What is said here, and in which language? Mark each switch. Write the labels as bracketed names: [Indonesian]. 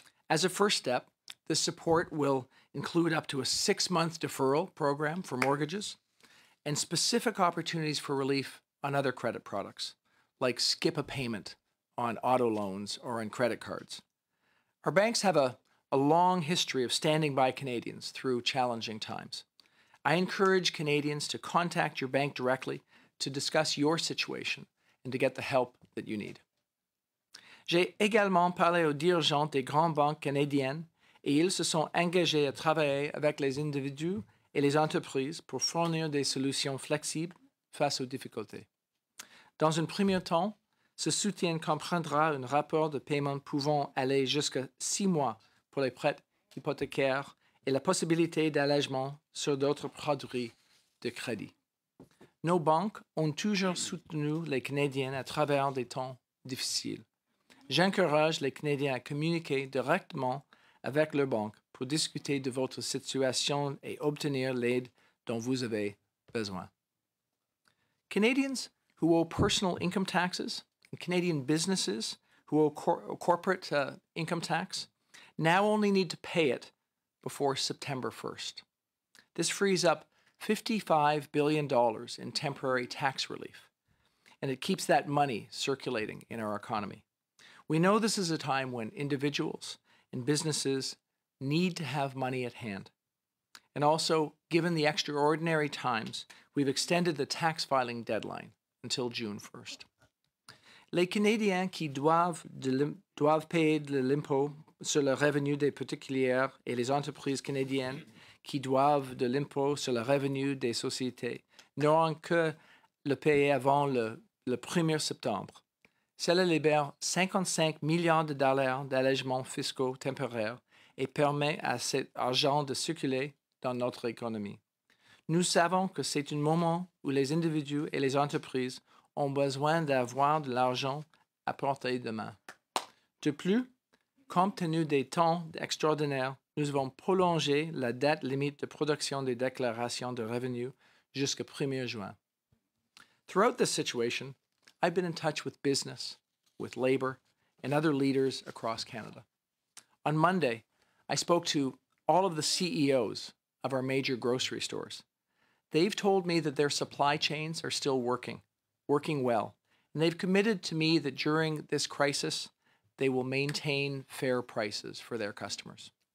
[English] As a first step, this support will include up to a six-month deferral program for mortgages and specific opportunities for relief on other credit products, like skip a payment on auto loans or on credit cards. Our banks have a long history of standing by Canadians through challenging times. I encourage Canadians to contact your bank directly to discuss your situation and to get the help that you need. [French] J'ai également parlé aux dirigeants des grandes banques canadiennes et ils se sont engagés à travailler avec les individus et les entreprises pour fournir des solutions flexibles face aux difficultés. Dans un premier temps, ce soutien comprendra un rapport de paiement pouvant aller jusqu'à 6 mois pour les prêts hypothécaires et la possibilité d'allègement sur d'autres produits de crédit. Nos banques ont toujours soutenu les Canadiens à travers des temps difficiles. J'encourage les Canadiens à communiquer directement avec leur banque pour discuter de votre situation et obtenir l'aide dont vous avez besoin. [English] Canadians who owe personal income taxes and Canadian businesses who owe corporate income tax now only need to pay it before September 1st. This frees up $55 billion in temporary tax relief, and it keeps that money circulating in our economy. We know this is a time when individuals and businesses need to have money at hand. And also, given the extraordinary times, we've extended the tax filing deadline until June 1st. [French] Les Canadiens qui doivent payer de l'impôt sur le revenu des particuliers et les entreprises canadiennes qui doivent de l'impôt sur le revenu des sociétés n'auront que le payer avant le 1er septembre. Cela libère 55 milliards de dollars d'allègements fiscaux temporaires et permet à cet argent de circuler dans notre économie. Nous savons que c'est un moment où les individus et les entreprises ont besoin d'avoir de l'argent à portée de main. De plus, compte tenu des temps extraordinaires, nous avons prolongé la date limite de production des déclarations de revenus jusqu'au 1er juin. [English] Throughout this situation, I've been in touch with business, with labor, and other leaders across Canada. On Monday, I spoke to all of the CEOs of our major grocery stores. They've told me that their supply chains are still working well, and they've committed to me that during this crisis, they will maintain fair prices for their customers.